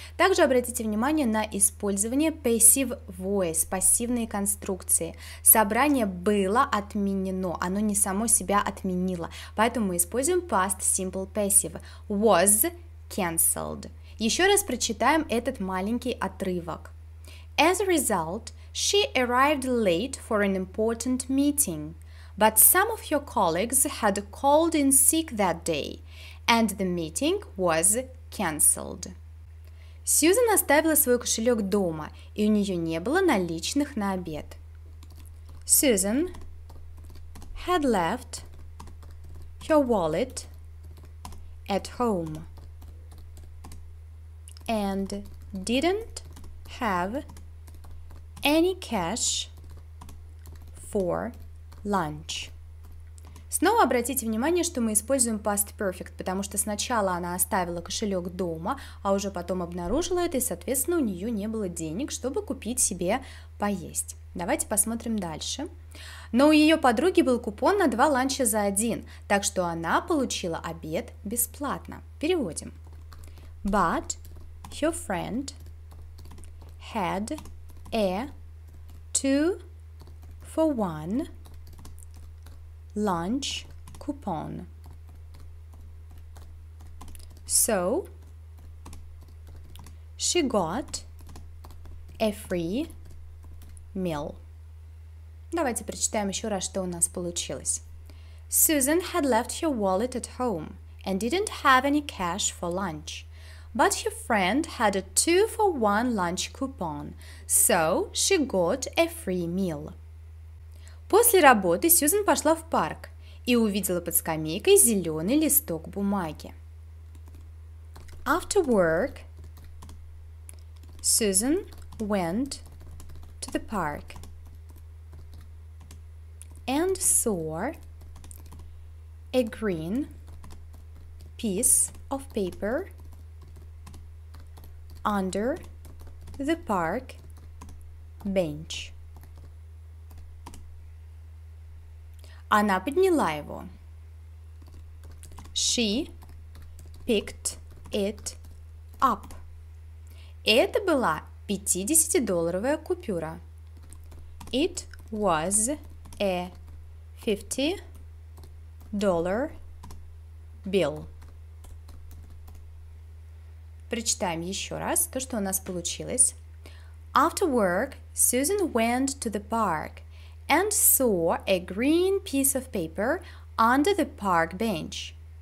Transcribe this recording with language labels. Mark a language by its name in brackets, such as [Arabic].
[Russian] Также обратите внимание на использование passive voice, пассивные конструкции. Собрание было отменено, оно не само себя отменило. Поэтому мы используем past simple passive. [English] Was cancelled. [Russian] Еще раз прочитаем этот маленький отрывок. [English] As a result, she arrived late for an important meeting, but some of her colleagues had called in sick that day, and the meeting was cancelled. [Russian] Сьюзен оставила свой кошелек дома, и у нее не было наличных на обед. [English] Susan had left her wallet at home and didn't have any cash for lunch. [Russian] Снова обратите внимание, что мы используем past perfect, потому что сначала она оставила кошелек дома, а уже потом обнаружила это, и, соответственно, у нее не было денег, чтобы купить себе поесть. Давайте посмотрим дальше. Но у ее подруги был купон на два ланча за один, так что она получила обед бесплатно. Переводим. [English] But her friend had a 2-for-1 lunch coupon. So she got a free meal. [Russian] Давайте прочитаем еще раз, что у нас получилось. [English] Susan had left her wallet at home and didn't have any cash for lunch. But her friend had a 2-for-1 lunch coupon, so she got a free meal. [Russian] После работы Сьюзен пошла в парк и увидела под скамейкой зеленый листок бумаги. [English] After work, Susan went to the park and saw a green piece of paper under the park bench. [Russian] Она подняла его. [English] She picked it up. [Russian] Это была 50-долларовая купюра. [English] It was a 50-dollar bill. [Russian] Прочитаем еще раз то, что у нас получилось. [English] After work, Susan went to the park and saw a green piece of paper under the park bench.